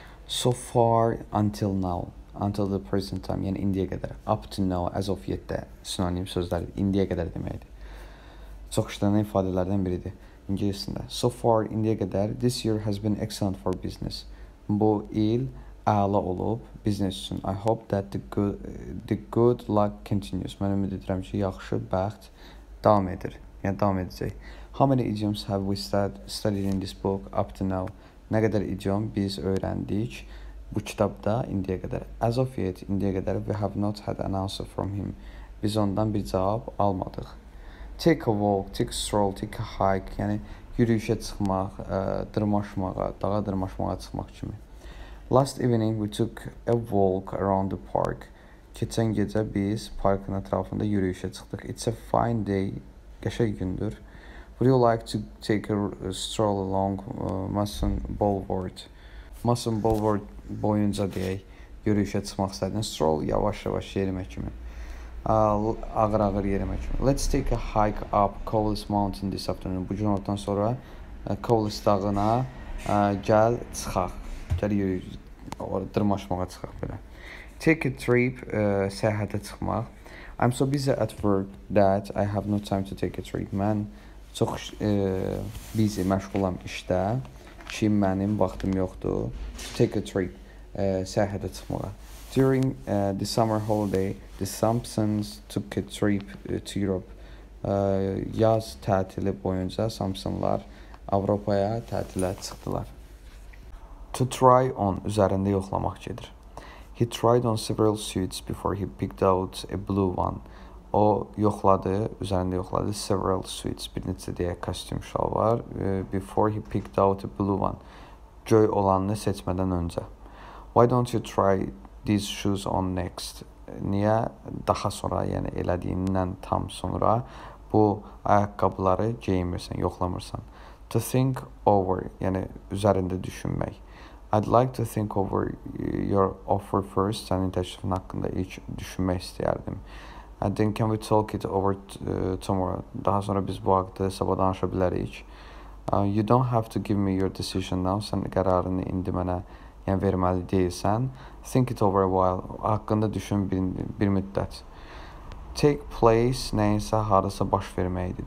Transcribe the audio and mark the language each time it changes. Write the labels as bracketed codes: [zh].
[en] So far, until now, until the present time, [az] yəni indiyə qədər, [en] up to now, as of yet [az] də sinonim sözlər, indiyə qədər deməkdir. Çox işlənən ifadələrdən biridir İngilisində. [en] So far, [az] indiyə qədər, [en] this year has been excellent for business. [az] Bu il əla olub business üçün. [en] I hope that the good luck continues. [az] Mən ümid edirəm ki, yaxşı bəxt davam edir, yəni davam edəcək. [en] How many idioms have we studied in this book up to now? [az] Nə qədər idiom biz öyrəndik bu kitabda indiyə qədər? [en] As of yet, [az] indiyə qədər, [en] we have not had an answer from him. [az] Biz ondan bir cavab almadıq. [en] Take a walk, take a stroll, take a hike, [az] yəni yürüyüşə çıxmaq, dırmaşmağa, dağa dırmaşmağa çıxmaq kimi. [en] Last evening we took a walk around the park. [az] Keçən gecə biz parkın ətrafında yürüyüşə çıxdıq. [en] It's a fine day, [az] qəşəng gündür. [en] Would you like to take a stroll along Mason Boulevard? [az] Mason Boulevard boyunca deyək, yürüyüşə çıxmaq istədin. Stroll yavaş-yavaş yerimə kimi. Ağır-ağır yerimə kimi. [en] Let's take a hike up Cowles Mountain this afternoon. [az] Bu gün ortadan sonra Cowles dağına gəl çıxaq. Gəl yürüyüş, dırmaşmağa çıxaq belə. [en] Take a trip, [az] səyahətə çıxmaq. [en] I'm so busy at work that I have no time to take a drink. [az] Mən çox busy, məşğulam işdə. Ki, mənim vaxtım yoxdur. [en] To take a drink. [az] Səhərdə çıxmağa. [en] During the summer holiday, the Simpsons took a trip to Europe. [az] Yaz tətili boyunca Simpsonlar Avropaya tətilə çıxdılar. To try on üzərində yoxlamaq gedir. [en] He tried on several suits before he picked out a blue one. [az] O yoxladı, üzərində yoxladı [en] several suits, [az] bir neçə deyə kostyum şalvar, [en] before he picked out a blue one. [az] Göy olanını seçmədən öncə. [en] Why don't you try these shoes on next? [az] Niyə daha sonra, yəni elədiyindən tam sonra bu ayaqqabıları geyinmirsən, yoxlamırsan? To think over, yəni üzərində düşünmək. [en] I'd like to think over your offer first. [az] Sənin təklifin haqqında ilk düşünmək istəyərdim. [en] And then can we talk it over tomorrow? [az] Daha sonra biz bu haqda sabah danışa bilərik. [en] You don't have to give me your decision now. [az] Sən qərarını indi mənə yəni verməli deyilsən. [en] Think it over a while. [az] Haqqında düşün bir müddət. Take place nəyinsə harasa baş verməkdir.